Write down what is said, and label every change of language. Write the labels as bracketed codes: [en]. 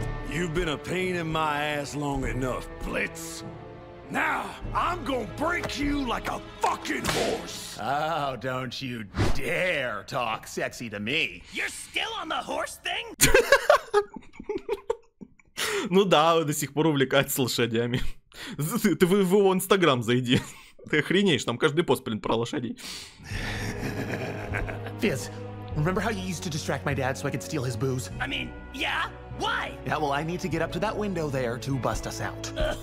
[en] You've been a pain in my ass long enough, Blitz. Now, I'm gonna break you like a fucking horse. Oh, don't you dare talk sexy to me. You're still on the horse thing? [ru] Ну да, до сих пор увлекается лошадями. Ты в его Инстаграм зайди. Ты охренеешь, там каждый пост, блин, про лошадей. [en] Fizz, remember how you used to distract my dad so I could steal his booze? I mean, yeah, why? Yeah, well, I need to get up to that window there to bust us out.